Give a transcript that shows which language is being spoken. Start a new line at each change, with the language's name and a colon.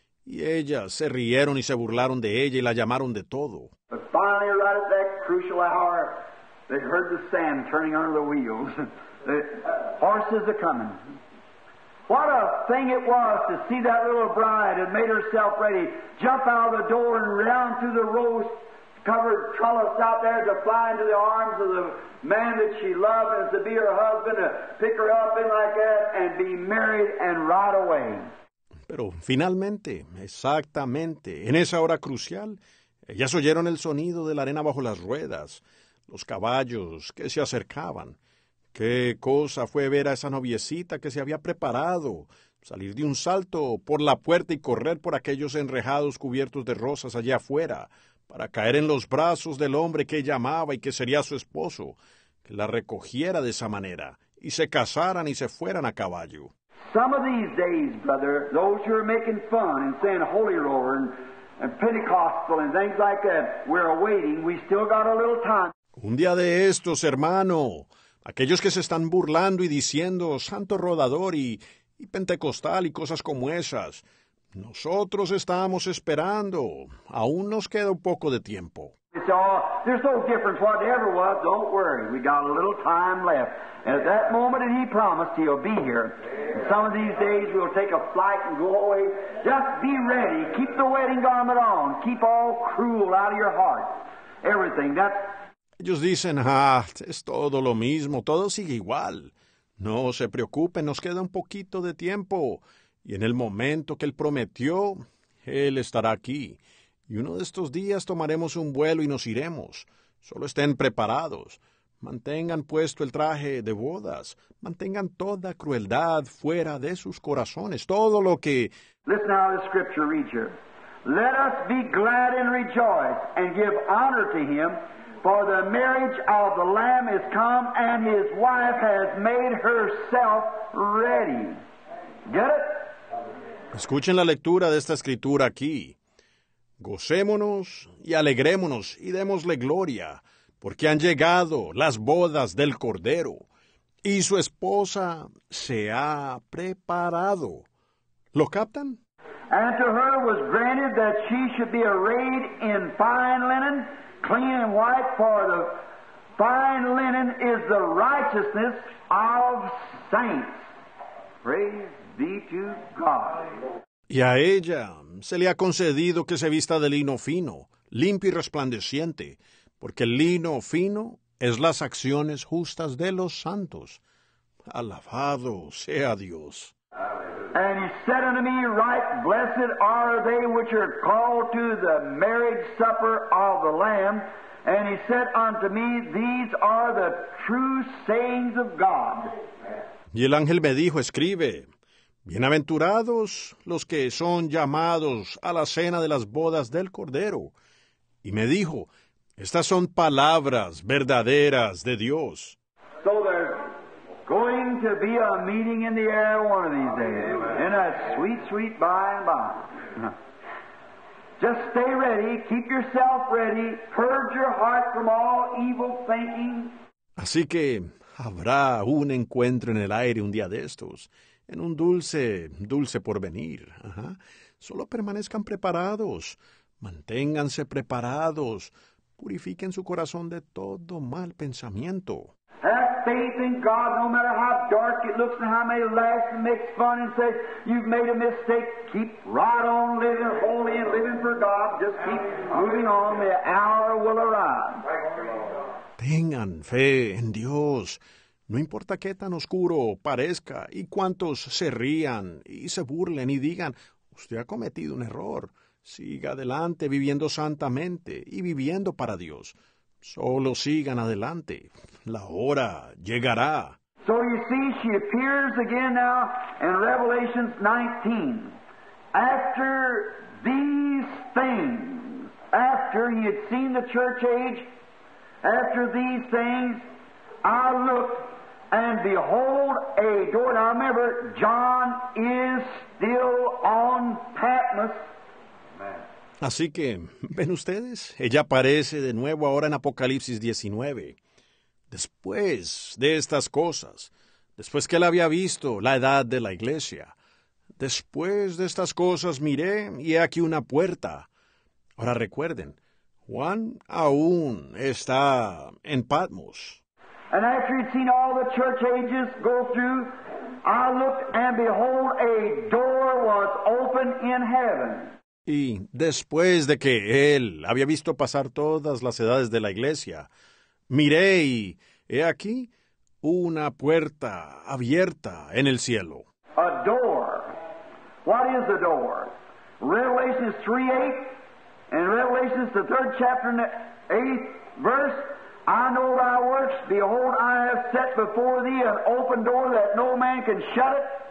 Spanish: Y ellas se rieron y se burlaron de ella y la llamaron de todo.
English: But finally, right at that crucial hour, they heard the sand turning under the wheels. The horses are coming. What a thing it was to see that little bride had made herself ready, jump out of the door and round through the rose-covered trellis out there to fly into the arms of the man that she loved and to be her husband, to pick her up in like that and be married and right away.
Spanish: Pero finalmente, exactamente, en esa hora crucial, ellas oyeron el sonido de la arena bajo las ruedas, los caballos que se acercaban. ¡Qué cosa fue ver a esa noviecita que se había preparado! Salir de un salto por la puerta y correr por aquellos enrejados cubiertos de rosas allá afuera, para caer en los brazos del hombre que ella amaba y que sería su esposo, que la recogiera de esa manera, y se casaran y se fueran a caballo.
English: Some of these days, brother, those who are making fun and saying holy roller and Pentecostal and things like that, we're waiting, we still got a little time.
Spanish: Un día de estos, hermano, aquellos que se están burlando y diciendo santo rodador y pentecostal y cosas como esas, nosotros estamos esperando. Aún nos queda un poco de tiempo.
English: There's no difference whatever was. Don't worry. We got a little time left. And at that moment that he promised he'll be here. And some of these days we'll take a flight and go away. Just be ready. Keep the wedding garment on. Keep all cruel out of your heart. Everything.
Spanish: Ellos dicen, ah, es todo lo mismo, todo sigue igual. No se preocupen, nos queda un poquito de tiempo. Y en el momento que él prometió, él estará aquí. Y uno de estos días tomaremos un vuelo y nos iremos. Solo estén preparados. Mantengan puesto el traje de bodas. Mantengan toda crueldad fuera de sus corazones. Todo lo que...
English: Listen now to the scripture, read here. Let us be glad and rejoice and give honor to him. For the marriage of the Lamb is come, and his wife has made herself ready. Get it?
Spanish: Escuchen la lectura de esta escritura aquí. Gocémonos y alegrémonos y démosle gloria, porque han llegado las bodas del Cordero, y su esposa se ha preparado. ¿Lo captan?
English: And to her was granted that she should be arrayed in fine linen, clean and white, for the fine linen is the righteousness of saints. Praise be to God.
Spanish: Y a ella se le ha concedido que se vista de lino fino, limpio y resplandeciente, porque el lino fino es las acciones justas de los santos. Alabado sea Dios.
English: And he said unto me, right, blessed are they which are called to the marriage supper of the Lamb. And he said unto me, these are the true sayings of God.
Spanish: Y el ángel me dijo, escribe, bienaventurados los que son llamados a la cena de las bodas del Cordero. Y me dijo, estas son palabras verdaderas de Dios.
English: So there's going to be a meeting in the air one of these days. Amen. In a sweet, sweet by and by. Just stay ready. Keep yourself ready. Purge your heart from all evil thinking.
Spanish: Así que habrá un encuentro en el aire un día de estos. En un dulce, dulce porvenir. Ajá. Solo permanezcan preparados. Manténganse preparados. Purifiquen su corazón de todo mal pensamiento.
English: faith in God, no matter how dark it looks and how many laughs and makes fun and says, you've made a mistake, keep right on living holy and living for God. Just keep moving on. The hour will arrive.
Spanish: Tengan fe en Dios. No importa qué tan oscuro parezca y cuántos se rían y se burlen y digan, usted ha cometido un error. Siga adelante viviendo santamente y viviendo para Dios. Solo sigan adelante. La hora llegará.
English: So you see, she appears again now in Revelation 19. After these things, after he had seen the church age, after these things, I looked and behold a door. Now remember, John is still on Patmos.
Spanish: Así que, ¿ven ustedes? Ella aparece de nuevo ahora en Apocalipsis 19. Después de estas cosas, después que él había visto la edad de la iglesia, después de estas cosas miré y he aquí una puerta. Ahora recuerden, Juan aún está en Patmos.
English: And after he'd seen all the church ages go through, I looked and behold a door was open in heaven.
Spanish: Y después de que él había visto pasar todas las edades de la iglesia, miré y he aquí una puerta abierta en el cielo.
English: A door. What is a door? Revelation 3:8 and Revelation the 3rd chapter and the 8th verse. I know thy works. Behold, I have set before thee an open door that no man can shut it.